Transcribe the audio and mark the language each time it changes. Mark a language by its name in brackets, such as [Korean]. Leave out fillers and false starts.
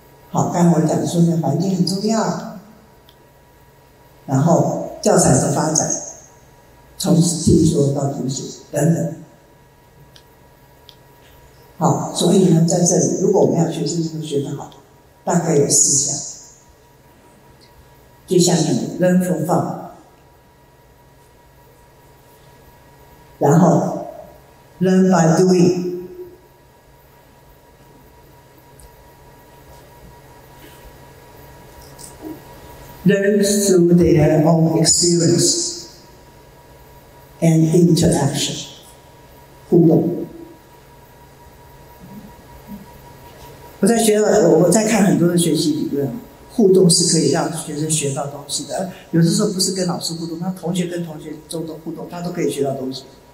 [Chinese] 好，刚才我讲说的环境很重要，然后教材的发展，从听说到读写等等。好，所以呢，在这里，如果我们要学生能够学得好，大概有四项。就像你 [English] learn from fun， [Chinese] 然后 [English] learn by doing， Learn through their own experience and interaction， [Chinese] 互动。我在看很多的学习理论，互动是可以让学生学到东西的。有的时候不是跟老师互动，那同学跟同学中的互动，他都可以学到东西。